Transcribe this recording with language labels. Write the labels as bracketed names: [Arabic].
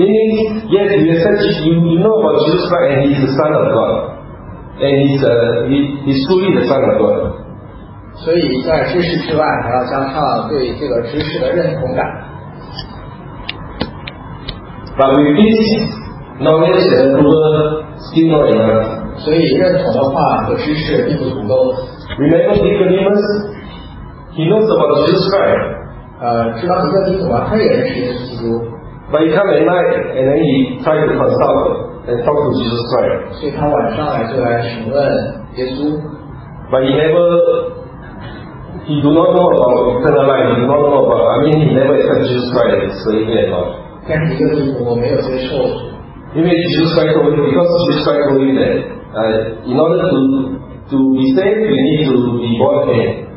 [English] Meaning yes, you accept you know about Jesus Christ and he's the Son of God, and he's truly the Son of God. [Chinese] 所以在知识之外，还要加上对这个知识的认同感。 [English] But with this knowledge and approval, still not enough. [Chinese] 所以认同的话和知识并不足够。 [English] Remember Nicodemus, he knows about Jesus Christ. [Chinese] 知道尼哥底母啊，他也认识耶稣基督。 [English] But he come at night and then he try to consult and talk to Jesus Christ. [Chinese] 所以他晚上来就来询问耶稣。 [English] But he never You do not know about eternal life, you do not know about, I mean, you never accept Jesus Christ as the Savior and all. Even Jesus Christ told you, because Jesus Christ told you that in order to be saved, you need to be born again.